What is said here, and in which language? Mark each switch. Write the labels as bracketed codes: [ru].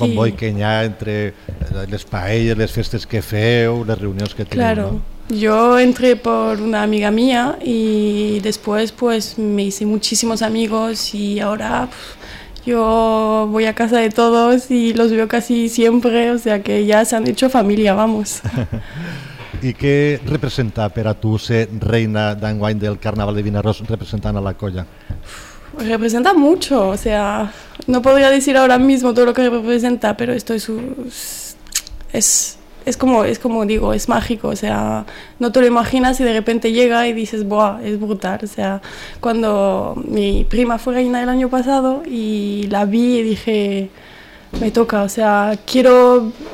[ca] Comboi que hi ha entre les paelles, les festes que feu, les reunions que teniu. [es] Claro, no? Yo entré por una amiga mía y después pues me hice muchísimos amigos y ahora yo voy a casa de todos y los veo casi siempre, o sea que ya se han hecho familia, vamos. [ca] I què representa per a tu ser reina d'enguany del Carnaval de Vinaròs representant a la colla? [es] Representa mucho, o sea, no podría decir ahora mismo todo lo que representa, pero esto es como digo, es mágico, o sea, no te lo imaginas y de repente llega y dices, buah, es brutal, o sea, cuando mi prima fue reina el año pasado y la vi y dije, me toca, o sea, quiero